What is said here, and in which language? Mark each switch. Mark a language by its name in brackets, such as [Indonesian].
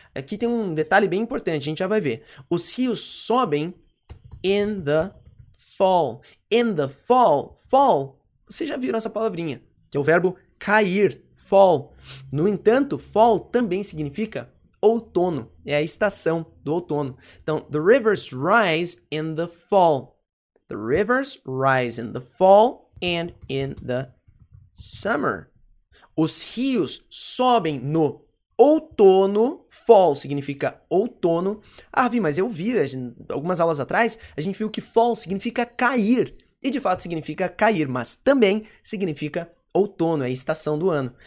[Portuguese] Aqui tem um detalhe bem importante, a gente já vai ver. Os rios sobem [English] in the fall. In the fall, fall. [Portuguese] Vocês já viram essa palavrinha, que é o verbo cair, fall. No entanto, fall também significa outono, é a estação do outono. [English] Então, the rivers rise in the fall. The rivers rise in the fall and in the summer. [Portuguese] Os rios sobem no outono, fall significa outono. Ah, Vi, mas eu vi, algumas aulas atrás, a gente viu que fall significa cair. E de fato significa cair, mas também significa outono, é a estação do ano.